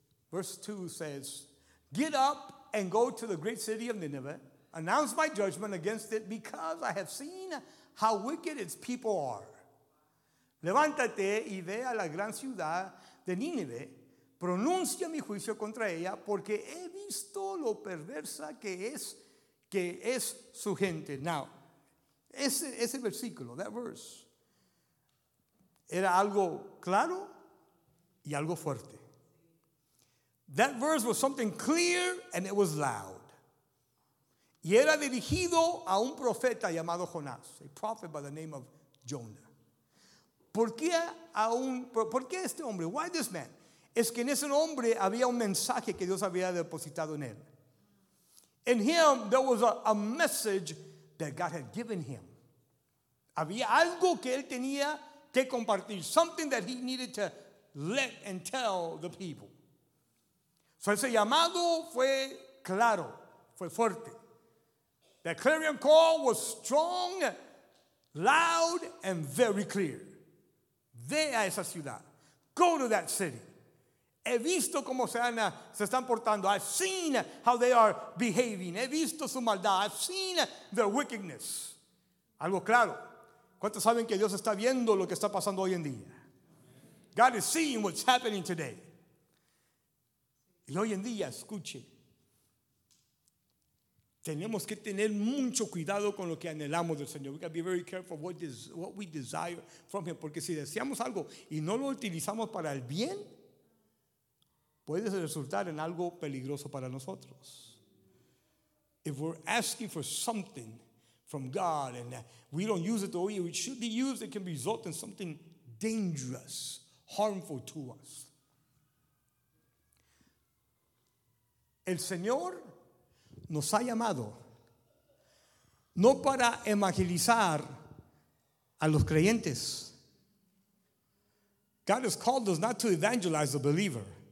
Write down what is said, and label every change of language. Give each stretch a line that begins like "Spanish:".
English: Verse 2 says, get up and go to the great city of Nineveh. Announce my judgment against it because I have seen how wicked its people are.
Spanish: Levántate y ve a la gran ciudad de Nínive. Pronuncia mi juicio contra ella porque he visto lo perversa que es su gente. Now, ese versículo,
English: that verse,
Spanish: era algo claro y algo fuerte.
English: That verse was something clear and it was loud.
Spanish: Y era dirigido a un profeta llamado Jonás,
English: a prophet by the name of Jonah.
Spanish: ¿Por qué este hombre?
English: Why this man?
Spanish: Es que en ese hombre había un mensaje que Dios había depositado en él.
English: In him, there was a message that God had given him.
Spanish: Había algo que él tenía que compartir,
English: something that he needed to let and tell the people.
Spanish: So ese llamado fue claro, fue fuerte.
English: The clarion call was strong, loud, and very clear.
Spanish: Ve a esa ciudad.
English: Go to that city.
Spanish: He visto cómo se están portando.
English: I've seen how they are behaving.
Spanish: He visto su maldad.
English: I've seen their wickedness.
Spanish: Algo claro. ¿Cuántos saben que Dios está viendo lo que está pasando hoy en día?
English: God is seeing what's happening today.
Spanish: Y hoy en día, escuche, tenemos que tener mucho cuidado con lo que anhelamos del Señor.
English: We got to be very careful what we desire from Him.
Spanish: Porque si deseamos algo y no lo utilizamos para el bien, puede resultar en algo peligroso para nosotros.
English: If we're asking for something from God and we don't use it the way it should be used, it can result in something dangerous, harmful to us.
Spanish: El Señor nos ha llamado no para evangelizar a los creyentes.
English: God has called us not to evangelize the believer.